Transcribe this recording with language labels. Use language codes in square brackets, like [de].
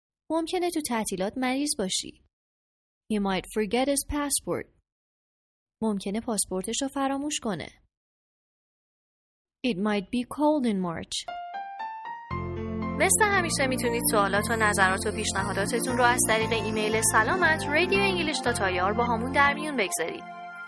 [fa] ممکنه تو تعطیلات مریض باشی. [en] He might forget his passport. [fa] ممکنه پاسپورتش رو فراموش کنه. [en] It might be cold in March. [fa] مثل همیشه میتونید سوالات و نظرات و پیشنهاداتتون رو از طریق ایمیل سلامت radioenglish.ir با همون در میون بگذارید.